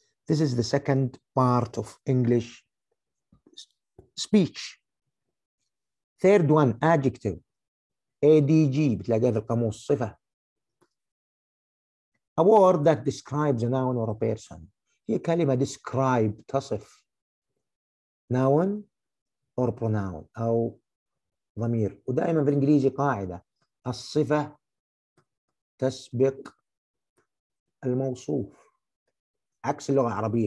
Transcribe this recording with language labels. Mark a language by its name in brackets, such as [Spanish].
[English] This is the second part of English speech. Third one, adjective. [Arabic] ADG بتلاقيها في القاموس صفة. [English] A word that describes a noun or a person. [Arabic] هي كلمة [English] describe [Arabic] تصف [English] noun or pronoun [Arabic] أو ضمير. ودائما في الإنجليزي قاعدة الصفة تسبق الموصوف عكس اللغة العربية.